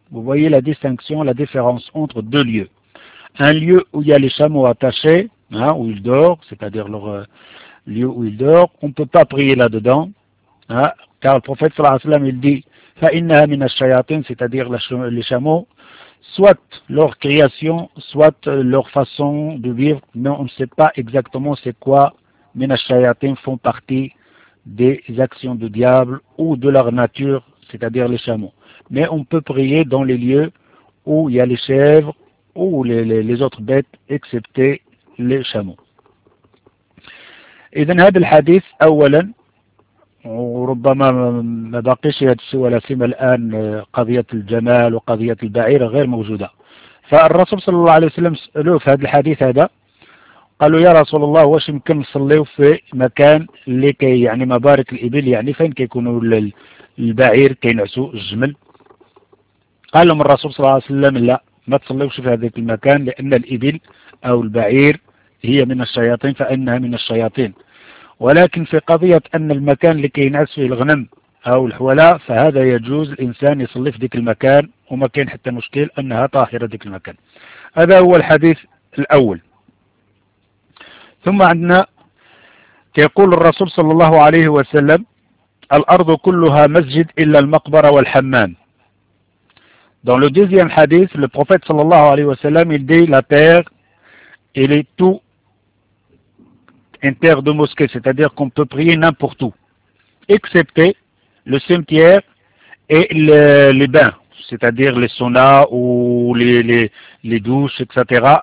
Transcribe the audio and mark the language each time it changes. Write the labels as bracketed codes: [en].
[fr] Vous voyez la distinction, la différence entre deux lieux. Un lieu où il y a les chameaux attachés, hein, où ils dorment, c'est-à-dire leur lieu où ils dorment, on ne peut pas prier là-dedans, hein, car le prophète sallallahu alayhi wa sallam, il dit, [ar] فَإِنَّهَا مِنَ الشَّيَاطِينَ, [fr] c'est-à-dire les chameaux, soit leur création, soit leur façon de vivre, mais on ne sait pas exactement c'est quoi, [ar] مِنَ الشَّيَاطِينَ [fr] font partie des actions du diable ou de leur nature, c'est-à-dire les chameaux. Mais on peut prier dans les lieux où il y a les chèvres ou les autres bêtes, excepté les chameaux. [ar] إذن هذا الحديث أولا وربما ما بقيش يتسوى لا سيما الآن قضية الجمال وقضية البعير غير موجودة. فالرسول صلى الله عليه وسلم سألوه في هذا الحديث هذا قالوا يا رسول الله واش يمكن نصليو في مكان اللي كي يعني مبارك الإبل يعني فين كيكونوا البعير كينعسوا الجمل. قال لهم الرسول صلى الله عليه وسلم لا ما تصليوش في هذاك المكان لأن الإبل أو البعير هي من الشياطين فإنها من الشياطين. ولكن في قضية أن المكان اللي كينعس فيه الغنم أو الحولة فهذا يجوز الإنسان يصلي في ذاك المكان وما كاين حتى مشكل أنها طاهرة ذاك المكان. هذا هو الحديث الأول. ثم عندنا يقول الرسول صلى الله عليه وسلم الأرض كلها مسجد إلا المقبرة والحمام. [fr] Dans le deuxième hadith, le prophète صلى الله عليه وسلم il dit la terre elle est tout une terre de mosquée, c'est-à-dire qu'on peut prier n'importe où excepté le cimetière et les bains, c'est-à-dire les saunas ou les douches, etc.